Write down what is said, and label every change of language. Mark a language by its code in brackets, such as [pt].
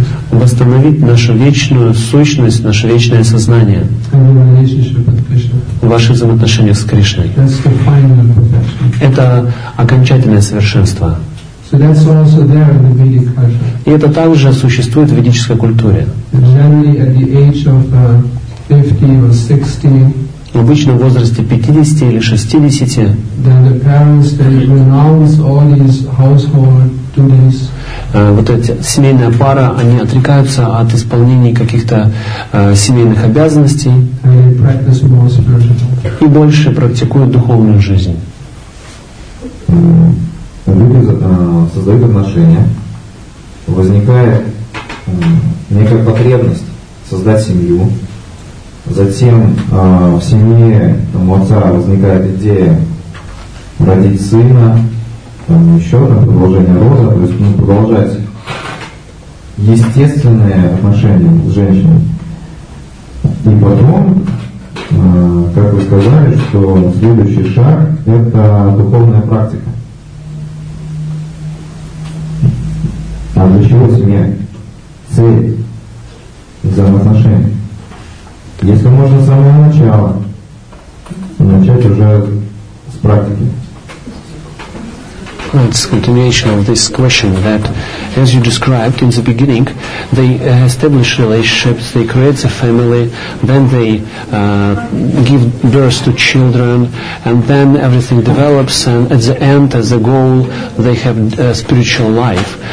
[ru] Восстановить нашу вечную сущность, наше вечное сознание в ваших взаимоотношениях с Кришной. [en] That's the final perfection. [ru] Это окончательное совершенство. [en] So that's also there in the Vedic culture. [ru] И это также существует в ведической культуре. [en] Generally at the age of 50 or 60, [ru] обычно в возрасте 50 или 60, [en] then the parents, they renounce all these household duties. [ru] Вот эта семейная пара, они отрекаются от исполнения каких-то семейных обязанностей [en] and they practice more spiritual. [ru] И больше практикуют духовную жизнь. Люди создают отношения, возникает некая потребность создать семью. Затем в семье там, у отца возникает идея родить сына, там еще там, продолжение рода, то есть ну, продолжать естественные отношения с женщиной. И потом, как вы сказали, что следующий шаг – это духовная практика. А для чего семья? Цель взаимоотношений. Если можно с самого начала начать уже с практики. [en] It's a continuation of this question that, as you described in the beginning, they establish relationships, they create a family, then they give birth to children, and then everything develops, and at the end, as a goal, they have a spiritual life.